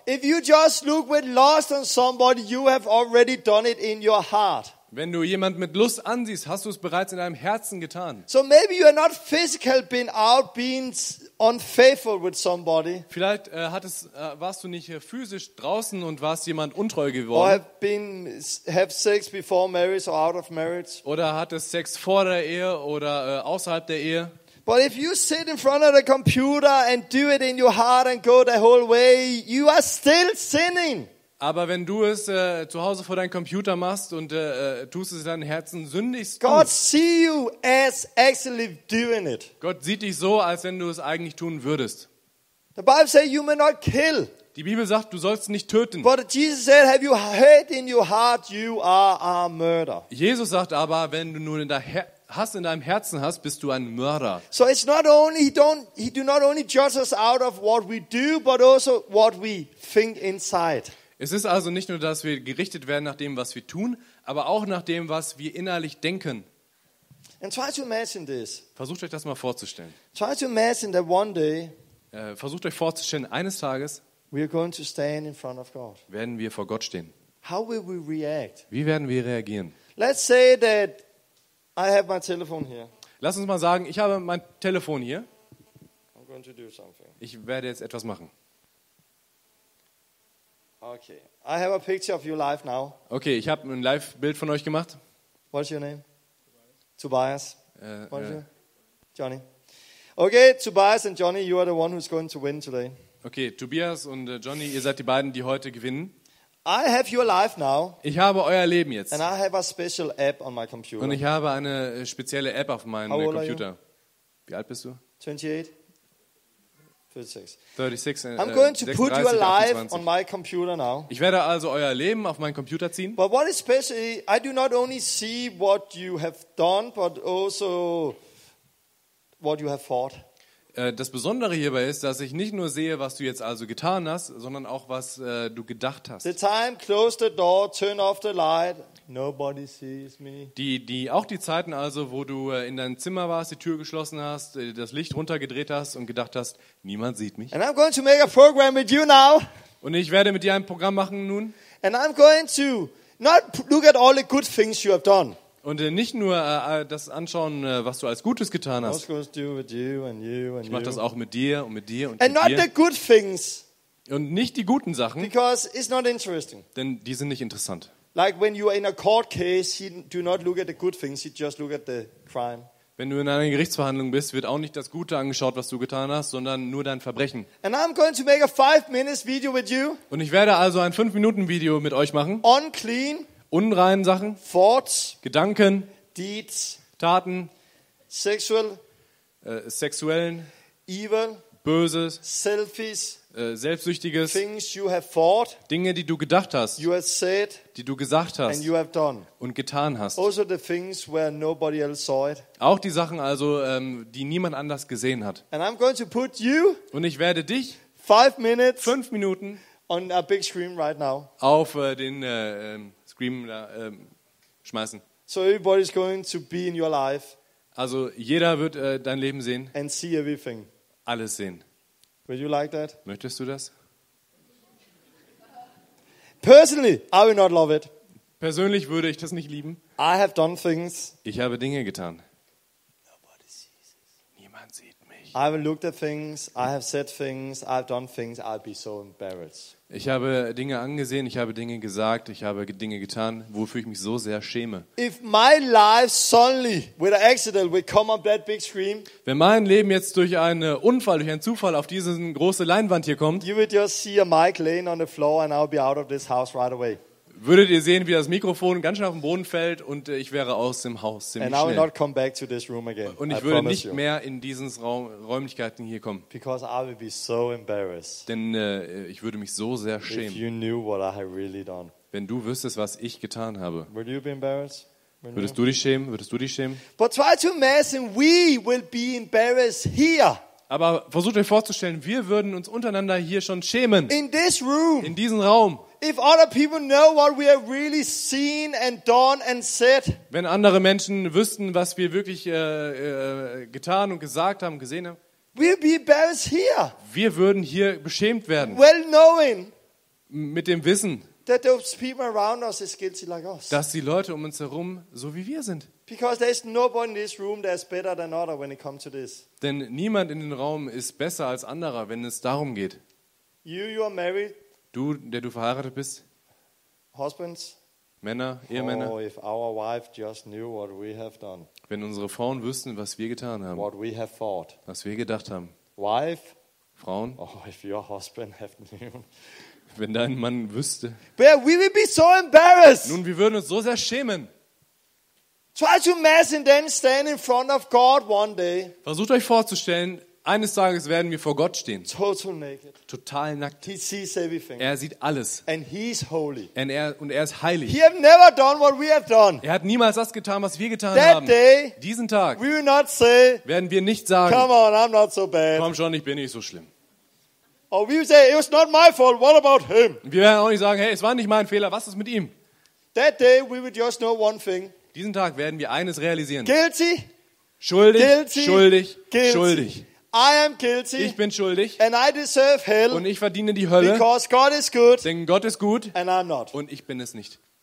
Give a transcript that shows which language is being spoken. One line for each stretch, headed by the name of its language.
English: If you just look with lust on somebody, you have already done it in your heart.
German: Wenn du jemand mit Lust ansiehst, hast du es bereits in deinem Herzen getan.
English: So maybe you are not physically been out being unfaithful with somebody.
German: Vielleicht warst du nicht physisch draußen und warst jemand untreu geworden.
English: Or have sex before marriage or out of marriage.
German: Oder hattest Sex vor der Ehe oder außerhalb der Ehe.
English: But if you sit in front of the computer and do it in your heart and go the whole way, you are still sinning.
German: Aber wenn du es zu Hause vor deinem Computer machst und tust es in deinem Herzen, sündigst du.
English: God see you as actually doing it.
German: Gott sieht dich so, als wenn du es eigentlich tun würdest.
English: The Bible says you may not kill.
German: Die Bibel sagt, du sollst nicht töten.
English: But Jesus said, have you hate in your heart, you are a murderer.
German: Jesus sagt aber, wenn du nur in deinem Herzen hast, bist du ein Mörder.
English: So it's not only he do not only judge us out of what we do, but also what we think inside.
German: Es ist also nicht nur, dass wir gerichtet werden nach dem, was wir tun, aber auch nach dem, was wir innerlich denken.
English: And try to imagine this.
German: Versucht euch das mal vorzustellen.
English: Try to imagine that one day,
German: versucht euch vorzustellen, eines Tages
English: we are going to stand in front of God.
German: Werden wir vor Gott stehen.
English: How will we react?
German: Wie werden wir reagieren?
English: Let's say that I have my telephone here.
German: Lass uns mal sagen, ich habe mein Telefon hier.
English: I'm going to do something.
German: Ich werde jetzt etwas machen.
English: Okay, I have a picture of you live now.
German: Okay, ich habe ein Live-Bild von euch gemacht.
English: What's your name? Tobias. Johnny. Okay, Tobias and Johnny, you are the one who's going to win today.
German: Okay, Tobias und Johnny, ihr seid die beiden, die heute gewinnen.
English: I have your life now.
German: Ich habe euer Leben jetzt.
English: And I have a special app on my computer.
German: Und ich habe eine spezielle App auf meinem Computer. Wie alt bist du? 28. 36.
English: I'm going to put your life on my computer now.
German: Ich werde also euer Leben auf meinen Computer ziehen.
English: But what is special? I do not only see what you have done, but also what you have fought.
German: Das Besondere hierbei ist, dass ich nicht nur sehe, was du jetzt also getan hast, sondern auch was du gedacht hast.
English: The time, close the door, turn off the light. Nobody sees me.
German: Die Zeiten also, wo du in deinem Zimmer warst, die Tür geschlossen hast, das Licht runtergedreht hast und gedacht hast, niemand sieht mich.
English: And I'm going to make a program with you now.
German: Und ich werde mit dir ein Programm machen nun.
English: And I'm going to not look at all the good things you have done.
German: Und nicht nur das anschauen, was du als Gutes getan hast. Ich mache das auch mit dir und mit dir und mit dir.
English: And not the good things.
German: Und nicht die guten Sachen.
English: Because it's not interesting.
German: Denn die sind nicht interessant.
English: Like when you are in a court case, he do not look at the good things, he just look at the crime.
German: Wenn du in einer Gerichtsverhandlung bist, wird auch nicht das Gute angeschaut, was du getan hast, sondern nur dein Verbrechen.
English: And I'm going to make a 5 minutes video with you.
German: Und ich werde also ein 5 Minuten Video mit euch machen.
English: Unclean.
German: Unreinen Sachen.
English: Thoughts.
German: Gedanken.
English: Deeds.
German: Taten.
English: Sexual.
German: Sexuellen.
English: Evil.
German: Böses.
English: Selfies.
German: Selbstsüchtiges,
English: things you have thought,
German: Dinge, die du gedacht hast,
English: you have said,
German: die du gesagt hast
English: and you have done.
German: Und getan hast.
English: Also the things where nobody else saw it.
German: Auch die Sachen, also, die niemand anders gesehen hat.
English: And I'm going to put you,
German: und ich werde dich 5 Minuten
English: on a big screen right now.
German: Auf den Screen schmeißen.
English: So everybody's going to be in your life,
German: also jeder wird dein Leben sehen
English: and see everything.
German: Alles sehen.
English: Would you like that?
German: Möchtest du das?
English: Personally, I would not love it.
German: Persönlich würde ich das nicht lieben.
English: I have done things.
German: Ich habe Dinge getan.
English: Nobody sees it.
German: Niemand sieht mich.
English: I have looked at things, I have said things, I have done things, I'd be so embarrassed.
German: Ich habe Dinge angesehen, ich habe Dinge gesagt, ich habe Dinge getan, wofür ich mich so sehr schäme.
English: If my life suddenly, with an accident, would come on that big screen,
German: wenn mein Leben jetzt durch einen Unfall, durch einen Zufall auf diese große Leinwand hier kommt,
English: you would just see a mic laying on the floor and I'll be out of this house right away.
German: Würdet ihr sehen, wie das Mikrofon ganz schnell auf den Boden fällt und ich wäre aus dem Haus ziemlich
English: and I will not come back to this room again.
German: Und ich würde nicht mehr in diesen Räumlichkeiten hier kommen.
English: Because I would be so embarrassed.
German: Denn ich würde mich so sehr schämen.
English: If you knew what I have really done.
German: Wenn du wüsstest, was ich getan habe.
English: Would you be embarrassed? Would
German: würdest you? Du dich schämen? Würdest du dich schämen?
English: But try to imagine we will be embarrassed here.
German: Aber versucht euch vorzustellen, wir würden uns untereinander hier schon schämen.
English: In this room.
German: In diesem Raum.
English: If other people know what we have really seen and done and said.
German: Wenn andere Menschen wüssten, was wir wirklich getan und gesagt haben, gesehen haben.
English: We'll be embarrassed here.
German: Wir würden hier beschämt werden.
English: Well knowing.
German: Mit dem Wissen.
English: That those people around us is guilty like us.
German: Dass die Leute um uns herum so wie wir sind.
English: Because there is nobody in this room that is better than other when it comes to this.
German: Denn niemand in dem Raum ist besser als anderer, wenn es darum geht.
English: You are married.
German: Du, der du verheiratet bist.
English: Husbands.
German: Männer, Ehemänner.
English: Oh, if our wife just knew what we have done.
German: Wenn unsere Frauen wüssten, was wir getan haben.
English: What we have thought.
German: Was wir gedacht haben.
English: Wife.
German: Frauen.
English: Oh, if your husband have knew.
German: Wenn dein Mann wüsste.
English: But we would be so embarrassed.
German: Nun, wir würden uns so sehr schämen.
English: Try to imagine then stand in front of God one day.
German: Versucht euch vorzustellen, eines Tages werden wir vor Gott stehen.
English: Total naked.
German: Total nackt.
English: He sees everything.
German: Er sieht alles.
English: And he is holy.
German: Und er ist heilig.
English: He have never done what we have done.
German: Er hat niemals das getan, was wir getan
English: that
German: haben.
English: Day,
German: diesen Tag
English: we will not say,
German: werden wir nicht sagen,
English: come on, I'm not so bad.
German: Komm schon, ich bin nicht so schlimm.
English: Or we say, it was not my fault. What about him?
German: Wir werden auch nicht sagen, hey, es war nicht mein Fehler, was ist mit ihm?
English: That day we would just know one thing.
German: Diesen Tag werden wir eines realisieren.
English: Guilty.
German: Schuldig.
English: Guilty.
German: Schuldig.
English: Guilty.
German: Schuldig.
English: I am guilty.
German: Ich bin schuldig.
English: And I deserve hell.
German: Und ich verdiene die Hölle.
English: Because God is good.
German: Denn Gott ist gut.
English: And I'm not.
German: Und ich bin es nicht.